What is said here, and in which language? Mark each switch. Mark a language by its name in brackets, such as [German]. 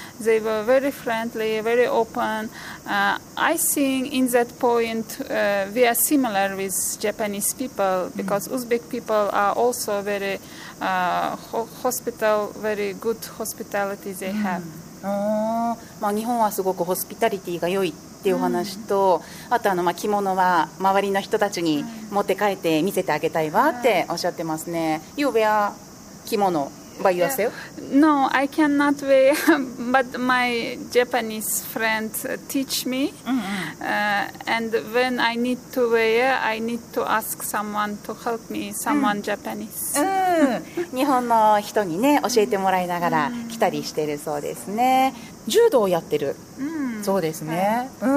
[English] They were very friendly, very open. I think in that point we are similar with Japanese people, because Uzbek people are also very hospital, very good hospitality they have. [Japanese] まあ、日本はすごくホスピタリティが良いっていうお話と、あとあのまあ着物は周りの人たちに持って帰って見せてあげたいわっておっしゃってますね。 [English] You wear 着物 by yourself? No, I cannot wear, but my Japanese friend teach me, and when I need to wear, I need to ask someone to help me, someone Japanese. [Japanese] 日本の人にね教えてもらいながら来たりしてるそうですね。柔道をやってる、そうですね、